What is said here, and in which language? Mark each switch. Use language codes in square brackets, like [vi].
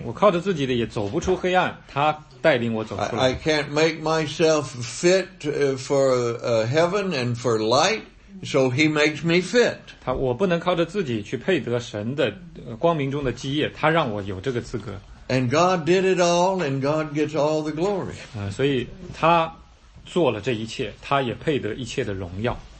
[zh] 我靠着自己的也走不出黑暗，他带领我走出来。 [en] I can't make myself fit for heaven and for light, so he makes me fit. [zh] 我不能靠着自己去配得神的光明中的基业，他让我有这个资格。 [en] And God did it all, and God gets all the glory. [zh] 所以他做了这一切，他也配得一切的荣耀。